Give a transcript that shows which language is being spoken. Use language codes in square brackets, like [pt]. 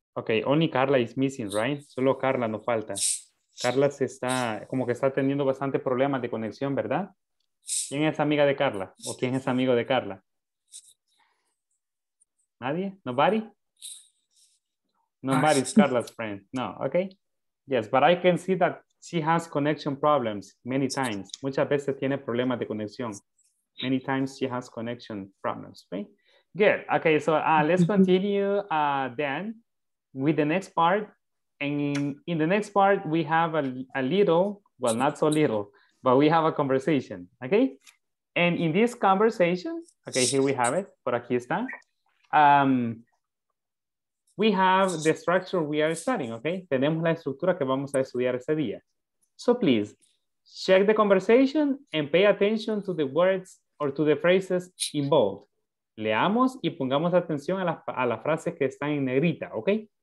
[en] Okay, only Carla is missing, right? [es] Solo Carla no falta. Carla se está, como que está teniendo bastante problemas de conexión, ¿verdad? ¿Quién es amiga de Carla? ¿O quién es amigo de Carla? Nadie? [en] Nobody? Nobody is Carla's friend. No, okay. Yes, but I can see that she has connection problems many times. [es] Muchas veces tiene problemas de conexión. [en] Many times she has connection problems, right? Good, okay, so let's continue then with the next part. And in the next part, we have a little, well, not so little, but we have a conversation, okay? And in this conversation, okay, here we have it, [es] por aquí está. [en] We have the structure we are studying, okay? [es] Tenemos la estructura que vamos a estudiar ese día. [en] So please, check the conversation and pay attention to the words or to the phrases involved. [es] Leamos y pongamos atención a las frases que están en negrita, okay?